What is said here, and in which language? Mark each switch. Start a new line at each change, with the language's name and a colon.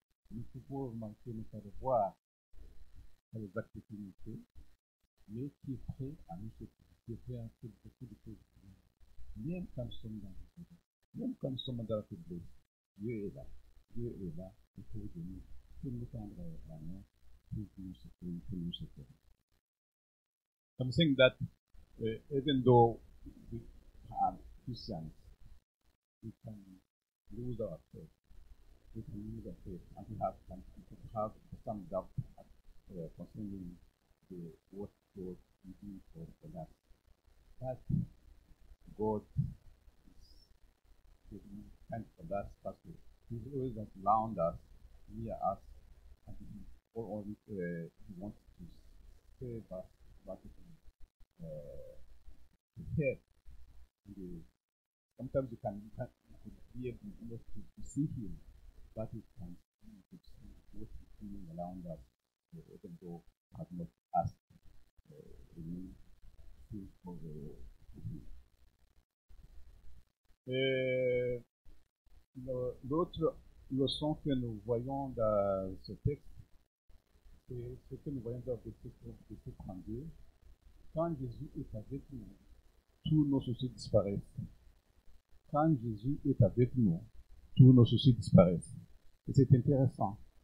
French: Nous pouvons manquer, ne pas le voir dans les actes que nous faisons, mais qui est prêt à nous secourir, qui est prêt à faire beaucoup de choses pour nous. Même quand nous sommes dans le monde, même quand nous sommes dans la faiblesse, Dieu est là. Dieu est là autour de nous pour nous tendre la main, pour nous secourir, pour nous secourir.
English: I'm saying that even though we are Christians, we can lose our faith. We can lose our faith and we have some doubt concerning the what God is doing for us. But God is kind for us, pastor. He's always around us, near us, and he wants to save us, but to help. Sometimes you can be able not to see him, but you can see what he's doing around us, even though he has not asked him for the.
French: L'autre leçon que nous voyons dans ce texte, c'est ce que nous voyons dans le texte de 32. Quand Jésus est avec nous, tous nos soucis disparaissent. Quand Jésus est avec nous, tous nos soucis disparaissent. Et c'est intéressant.